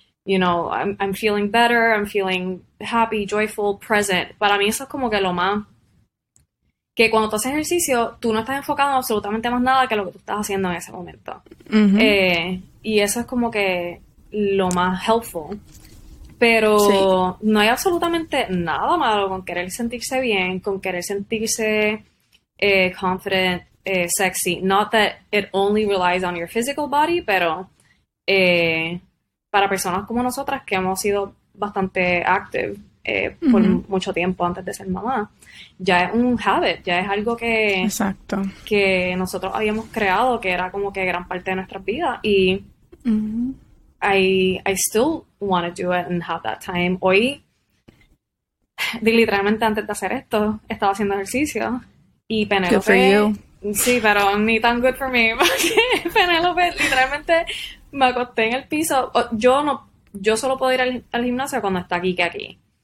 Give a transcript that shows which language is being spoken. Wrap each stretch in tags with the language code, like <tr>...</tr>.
<en>You know, I'm feeling better, I'm feeling happy, joyful, present.</en> <es>Para mí eso es como que lo más... Que cuando tú haces ejercicio, tú no estás enfocado en absolutamente más nada que lo que tú estás haciendo en ese momento. Y eso es como que lo más helpful. Pero no hay absolutamente nada malo con querer sentirse bien, con querer sentirse confident, sexy.</es> <en>Not that it only relies on your physical body,</en> <es>pero para personas como nosotras que hemos sido bastante active por mucho tiempo antes de ser mamá, ya es un habit, ya es algo que, exacto, que nosotros habíamos creado, que era como que gran parte de nuestra vida.</es> <en>Y I still want to do it and have that time.</en> <es>Hoy, literalmente antes de hacer esto, estaba haciendo ejercicio y Penélope...</es> <en>Good for you.</en> <es>Sí, pero ni tan good for me, porque Penélope literalmente me acosté en el piso. Yo no, yo solo puedo ir al gimnasio cuando está Kike aquí.</es>